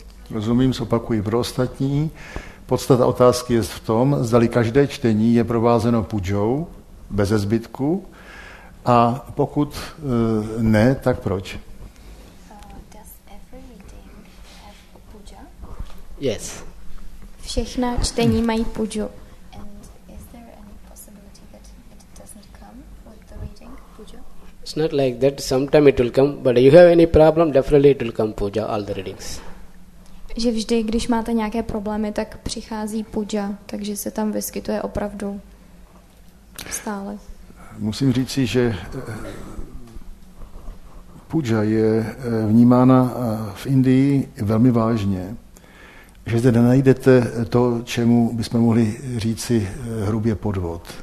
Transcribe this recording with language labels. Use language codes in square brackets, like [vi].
[cs] Rozumím, zopakuji pro ostatní. Podstata otázky je v tom, zdali každé čtení je provázeno pudžou, beze zbytku, a pokud ne, tak proč? [en] Does every reading have pudža? Yes. [cs] Všechna čtení mají pudžu. [en] And is there any possibility that it doesn't come with the reading, pudža? It's not like that, sometime it will come, but you have any problem, definitely it will come pudža, all the readings. [cs] Že vždy, když máte nějaké problémy, tak přichází puja, takže se tam vyskytuje opravdu stále. Musím říci, že puja je vnímána v Indii velmi vážně, že zde nenajdete to, čemu bychom mohli říci hrubě podvod.